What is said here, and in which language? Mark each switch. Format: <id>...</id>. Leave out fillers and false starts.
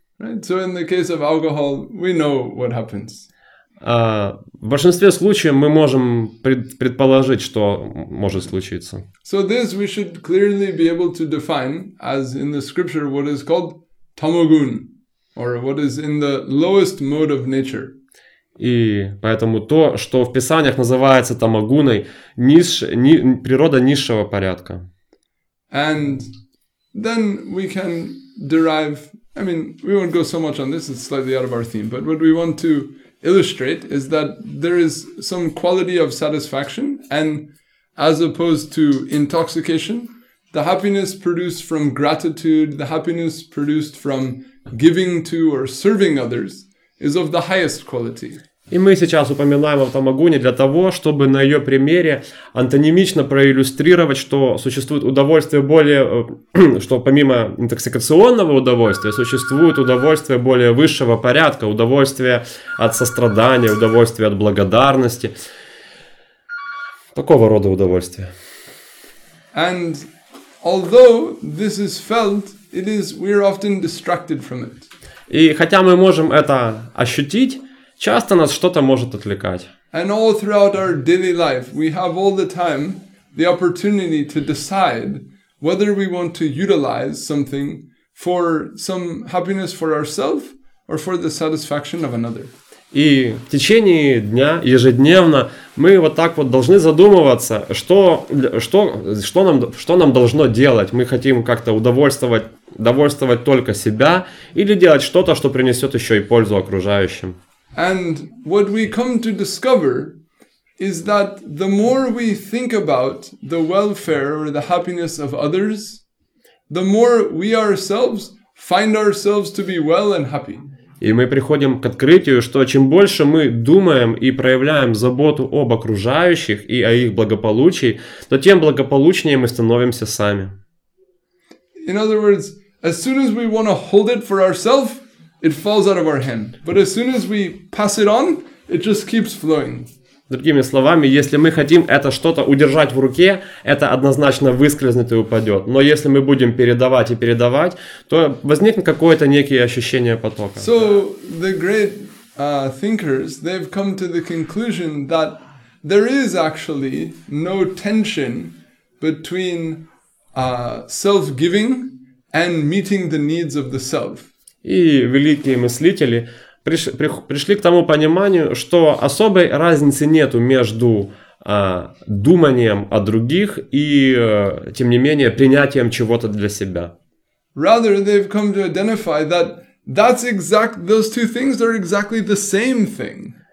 <en>Right. So in the case of alcohol, we know what happens.</en> <ru>В большинстве случаев мы можем предположить, что может случиться.</ru> <en>So this we should clearly be able to define, as in the scripture, what is called tamogun, or what is in the lowest mode of nature.</en> <ru>И поэтому то, что в писаниях называется тамагуной, природа низшего порядка.</ru> <en>And then we can derive, I mean, we won't go so much on this, it's slightly out of our theme, but what we want to illustrate is that there is some quality of satisfaction, and as opposed to intoxication, the happiness produced from gratitude, the happiness produced from giving to or serving others is of the highest quality.</en> <ru>И мы сейчас упоминаем о тамагуне для того, чтобы на ее примере антонимично проиллюстрировать, что существует удовольствие более, что помимо интоксикационного удовольствия существует удовольствие более высшего порядка, удовольствие от сострадания, удовольствие от благодарности, такого рода удовольствие.</ru> <en>And although this is felt, it is we are often distracted from it.</en> <ru>И хотя мы можем это ощутить, часто нас что-то может отвлекать.</ru> <en>And all throughout our daily life, we have all the time the opportunity to decide whether we want to utilize something for some happiness for ourselves or for the satisfaction of another.</en> <ru>И в течение дня, ежедневно, мы вот так вот должны задумываться, что нам должно делать. Мы хотим как-то удовольствовать только себя или делать что-то, что принесет еще и пользу окружающим.</ru> <en>And what we come to discover is that the more we think about the welfare or the happiness of others, the more we ourselves find ourselves to be well and happy.</en> <ru>И мы приходим к открытию, что чем больше мы думаем и проявляем заботу об окружающих и о их благополучии, то тем благополучнее мы становимся сами.</ru> <en>In other words, as soon as we want to hold it for ourselves, it falls out of our hand. But as soon as we pass it on, it just keeps flowing.</en> <ru>Другими словами, если мы хотим это что-то удержать в руке, это однозначно выскользнет и упадет. Но если мы будем передавать и передавать, то возникнет какое-то некое ощущение потока.</ru> <en>So the great thinkers, they've come to the conclusion that there is actually no tension between self-giving and meeting the needs of the self.</en> <ru>И великие мыслители пришли к тому пониманию, что особой разницы нету между думанием о других и, тем не менее, принятием чего-то для себя.</ru> <en>Rather, they've come to identify that those two things are exactly the same thing.</en>